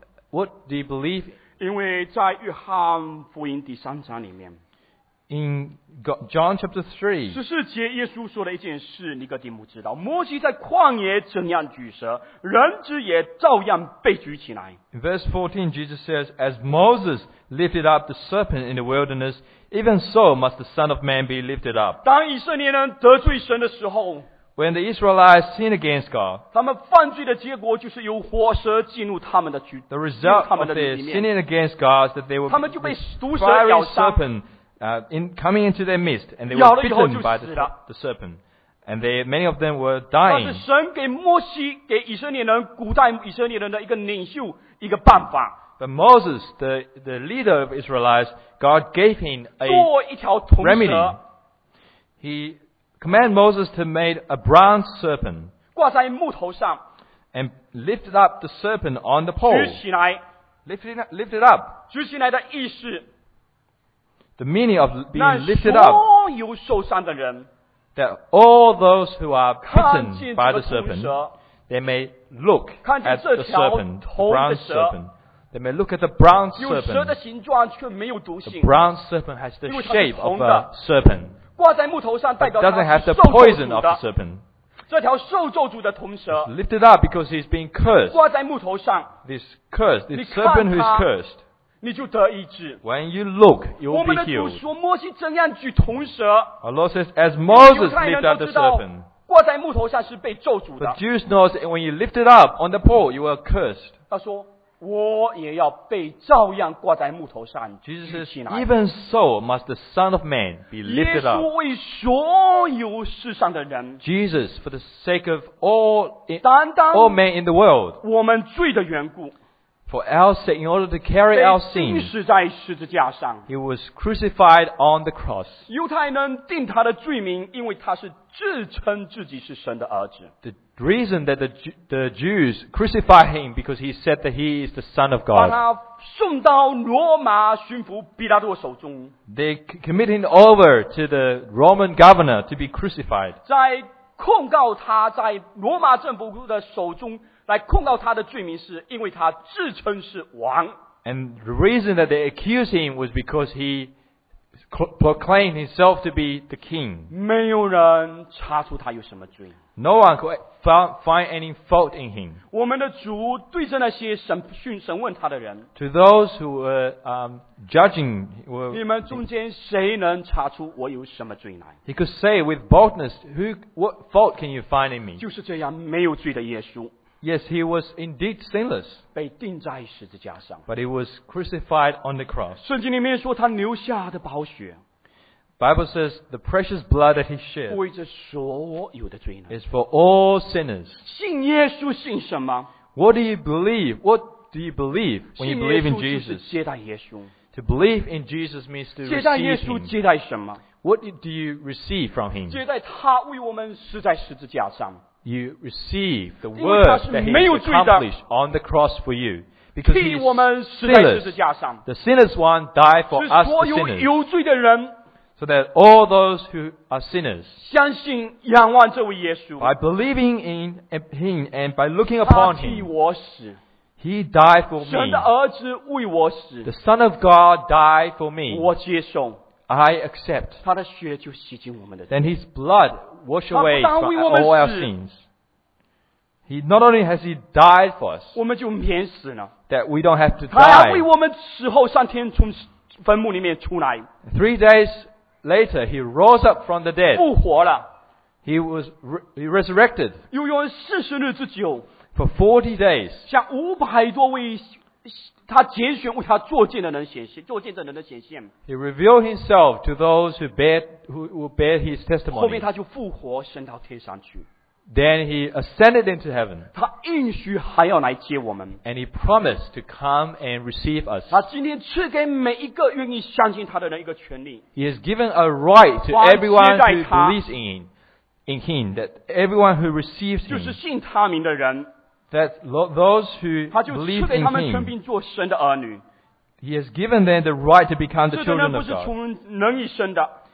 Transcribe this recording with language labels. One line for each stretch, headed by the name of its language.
English: What do you believe in?
Chinese: 因为在约翰福音第三章里面
English: In John chapter 3
Chinese: 十四节耶稣说了一件事尼哥底母知道摩西在旷野怎样举蛇人子也照样被举起来
English: In verse 14 Jesus says As Moses lifted up the serpent in the wilderness Even so must the Son of Man be lifted up
Chinese: 当以色列人得罪神的时候
English: When the Israelites sin against God
Chinese: 他们犯罪的结果就是由火蛇进入他们的居
English: The result of their sinning against God is that they were
Chinese: 他们就被毒蛇咬伤
English: serpent, coming into their midst and they were bitten by the serpent and many of them were dying
Chinese: 但是神给摩西给以色列人古代以色列人的一个领袖一个办法
English: But Moses the leader of Israelites God gave him a
Chinese: 做一条铜蛇
English: HeCommand Moses to make a bronze serpent
Chinese: 挂在木头上
English: and lifted up the serpent on the pole
Chinese: 举起来
English: lift it up
Chinese: 举起来的意思
English: the meaning of being lifted up
Chinese: 那所有受伤的人
English: that all those who are bitten by the serpent They may look at the serpent, the brown serpent. They may look at the brown serpent. The brown serpent has the shape of a serpent. It doesn't have the poison of the serpent.
Chinese: 这条受咒诅的铜蛇
English: lifted up because he's being cursed.
Chinese: 挂在木头上
English: this curse, this serpent who is cursed.
Chinese: 你就得医治
English: when you look, you will be healed.
Chinese: 我们的主说摩西怎样举铜蛇
English: our Lord says, as Moses lifted up the serpent.
Chinese: 挂在木头上是被咒诅的
English: but Jews knows when you lift it up on the pole, you are cursed.
Chinese: 他说我也要被照样挂在木头上
English: Jesus says, even so must the Son of Man be lifted up.
Chinese: 耶稣为所有世上的人
English: Jesus, for the sake of all men in the world,
Chinese: 我们罪的缘故
English: for our sake, in order to carry our sin,
Chinese: 被钉死在十字架上
English: he was crucified on the cross.
Chinese: 犹太人定他的罪名因为他是自称自己是神的儿子
English: the reason that the Jews crucify him because he said that he is the son of God
Chinese: 把他送到罗马巡抚比拉多手中
English: they commit him over to the Roman governor to be crucified
Chinese: 在控告他在罗马政府的手中来控告他的罪名是因为他自称是王
English: and the reason that they accused him was because heproclaimed himself to be the king. No one could find any fault in him. To those who were judging, were, he could say with boldness, what fault can you find in me?
Chinese: 就是这样，没有罪的耶稣。
English: Yes, he was indeed sinless.
Chinese: 被钉在十字架上。
English: But he was crucified on the cross.
Chinese: 圣经里面说他流下的宝血。
English: Bible says the precious blood that he shed.
Chinese: 为着所有的罪呢。
English: Is for all sinners.
Chinese: 信耶稣信什么?
English: What do you believe? What do you believe when you believe in Jesus?
Chinese: 信耶稣就是接待耶稣。
English: To believe in Jesus means to receive him.
Chinese: 接待耶稣接待什么?
English: What do you receive from him?
Chinese: 接待他为我们死在十字架上。
English: You receive the word that he accomplished on the cross for you. Because he is sinless. The sinless one died for us the sinners. So that all those who are sinners,
Chinese: 相信仰望这位耶稣,
English: by believing in him and by looking upon him,
Chinese: 他替我死,
English: he died for me.
Chinese: 神的儿子为我死,
English: the Son of God died for me.
Chinese: 我接受,
English: I accept.
Chinese: 他的血就洗净我们的罪。
English: Then his blood wash away from all our sins. He not only has he died for us,
Chinese: 我们就免死了,
English: that we don't have to die.
Chinese: 他要为我们死后三天从坟墓里面出来。
English: Three days later, he rose up from the dead.
Chinese: 复活了。
English: He was resurrected.
Chinese: 又用四十日之久。
English: For 40 days.
Chinese: 向五百多位他拣选为他作见的人显现，作见证人的显现。
English: He revealed himself to those who bear his testimony.
Chinese: 后面他就复活升到天上去。
English: Then he ascended into heaven.
Chinese: 他应许还要来接我们。
English: And he promised to come and receive us.
Chinese: 他今天赐给每一个愿意相信他的人一个权利。
English: He has given a right to everyone who believes in him, that everyone who receives him.
Chinese: 就是信他名的人。
English: That those who believe in him, he has given them the right to become the children of God.